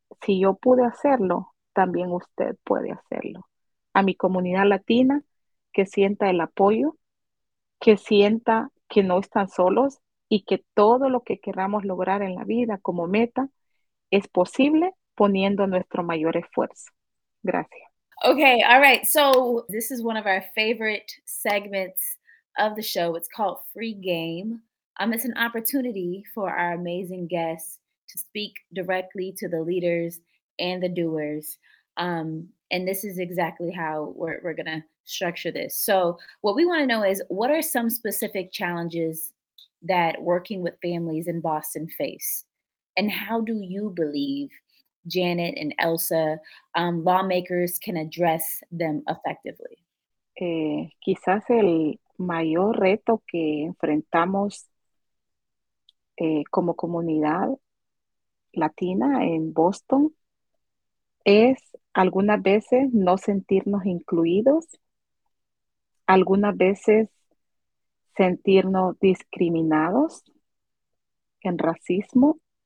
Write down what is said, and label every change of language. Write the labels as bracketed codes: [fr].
[es] Si yo pude hacerlo, también usted puede hacerlo. A mi comunidad latina, que sienta el apoyo, que sienta que no están solos y que todo lo que queramos lograr en la vida como meta es posible poniendo nuestro mayor esfuerzo. Gracias. [en] Okay, all right. So this is one of our favorite segments of the show. It's called Free Game. It's an opportunity for our amazing guests to speak directly to the leaders and the doers. And this is exactly how we're going to structure this. So what we want to know is, what are some specific challenges that working with families in Boston face? And how do you believe Janet and Elsa, lawmakers, can address them effectively? [es] Quizás el mayor reto que enfrentamos como comunidad latina en Boston es algunas veces no sentirnos incluidos, algunas veces sentirnos discriminados en racismo